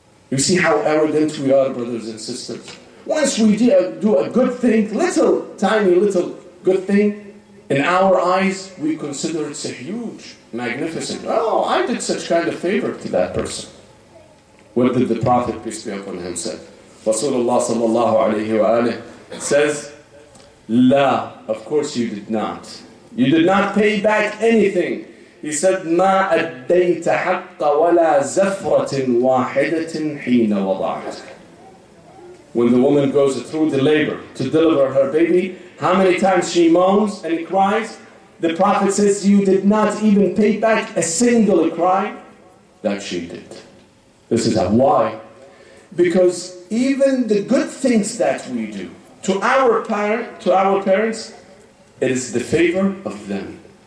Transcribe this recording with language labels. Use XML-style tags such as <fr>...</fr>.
<en>You see how arrogant we are, brothers and sisters. Once we do a good thing, little, tiny, little good thing, in our eyes, we consider it's a huge, magnificent. Oh, I did such kind of favor to that person. What did the Prophet, peace be upon him, say? Rasulullah sallallahu alayhi wa alayhi says, La, of course you did not. You did not pay back anything.</en> <ar>He said, مَا أَدَّيْتَ حَقَّ وَلَا زَفْرَةٍ وَاحِدَةٍ حِينَ وَضَعْتَ.</ar> <en>When the woman goes through the labor to deliver her baby, how many times she moans and cries? The Prophet says, you did not even pay back a single cry that she did. This is how. Why? Because even the good things that we do to our parents, it is the favor of them.</en>